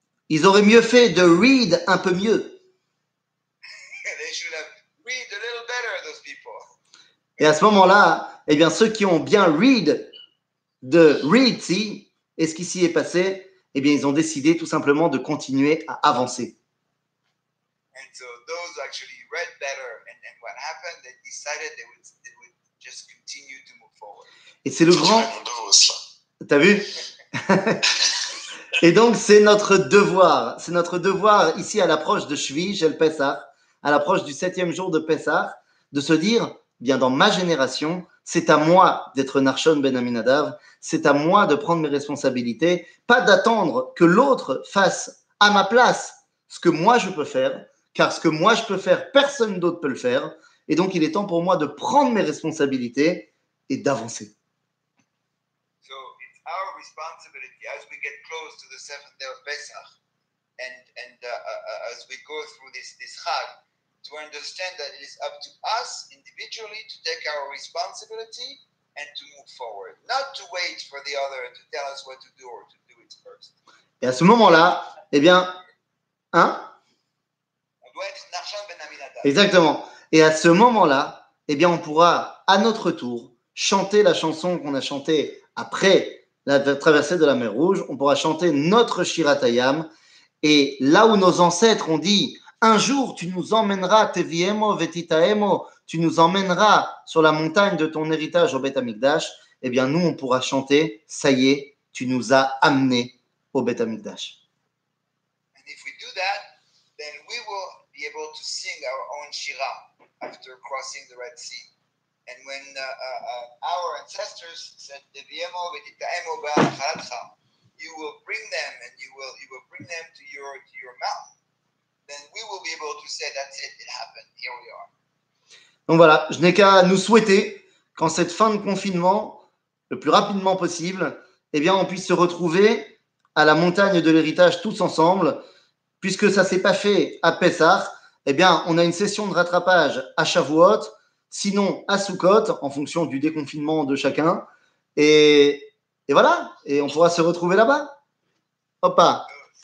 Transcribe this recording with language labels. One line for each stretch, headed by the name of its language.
French: Ils auraient mieux fait de read un peu mieux.
English: They should have read a little better, those people.
French: Et à ce moment-là, eh bien, ceux qui ont bien read de Red Sea, et ce qui s'y est passé, eh bien, ils ont décidé tout simplement de continuer à avancer.
English: And so those actually read better, and what happened, they decided they would just continue to move forward.
French: Et c'est le grand... T'as vu? Et donc, c'est notre devoir. C'est notre devoir, ici, à l'approche de Shvi'i, El Pessah, à l'approche du septième jour de Pessah, de se dire, bien, dans ma génération, c'est à moi d'être Narshon ben Aminadav, c'est à moi de prendre mes responsabilités, pas d'attendre que l'autre fasse à ma place ce que moi je peux faire, car ce que moi je peux faire, personne d'autre peut le faire. Et donc, il est temps pour moi de prendre mes responsabilités et d'avancer.
English: So, it's our responsibility as we get close to the seventh day of Pesach and as we go through this Chag, to understand that it is up to us individually to take our responsibility and to move forward. Not to wait for the other to tell us what to do or to do it first.
French: Et à ce moment-là, eh bien, hein? On doit être Narshon ben Aminadab. Exactement. Et à ce moment-là, eh bien, on pourra, à notre tour, chanter la chanson qu'on a chantée après la traversée de la mer Rouge. On pourra chanter notre Shirat Hayam. Et là où nos ancêtres ont dit, un jour, tu nous emmèneras,
Hebrew: Teviemo, Vetitaemo,
French: tu nous emmèneras sur la montagne de ton héritage au Bet Amigdash, eh bien, nous, on pourra chanter, ça y est, tu nous as amenés au Bet Amigdash.
English: And if we do that, then we will be able to sing our own Shira. After crossing the Red Sea, and when our ancestors said
Hebrew: "Deviemo v'titaemo ba'achalatcha,"
English: you will bring them, and you will bring them to your mouth. Then we will be able to say, "That's it. It happened. Here we are."
French: Donc voilà, je n'ai qu'à nous souhaiter qu'en cette fin de confinement, le plus rapidement possible, eh bien, on puisse se retrouver à la montagne de l'héritage tous ensemble, puisque ça s'est pas fait à Pessah. Eh bien, on a une session de rattrapage à Shavuot, sinon à Sukkot, en fonction du déconfinement de chacun. Et voilà, et on pourra se retrouver là-bas. Hoppa.